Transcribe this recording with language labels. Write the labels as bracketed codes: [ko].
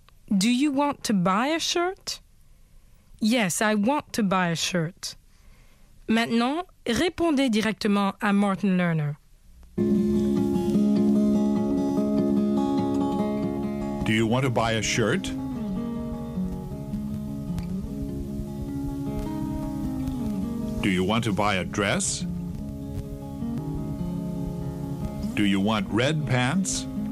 [en] Do you want to buy a shirt? Yes, I want to buy a shirt. [fr] Maintenant, répondez directement à Martin Lerner. [en] Do you want to buy a shirt? Do you want to buy a dress? Do you want red pants?